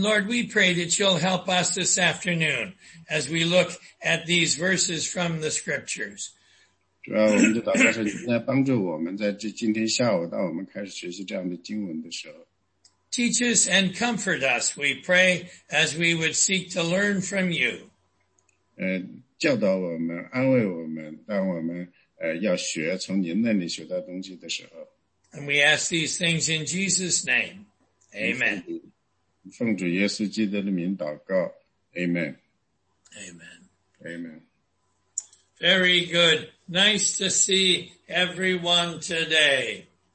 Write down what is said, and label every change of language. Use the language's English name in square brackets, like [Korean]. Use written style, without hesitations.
[English] Lord, we pray that you'll help us this afternoon as we look at these verses from the scriptures. [Chinese] 主要我们就祷告说，您来帮助我们在今天下午，当我们开始学习这样的经文的时候。 [English] Teach us and comfort us, we pray, as we would seek to learn from you. [Chinese] 教导我们，安慰我们，当我们要学从您那里学到东西的时候。 [English] And we ask these things in Jesus' name. Amen. [Chinese] 奉主耶稣基督的名祷告, Amen. [English] Amen. Amen. Very good. Nice to see everyone today.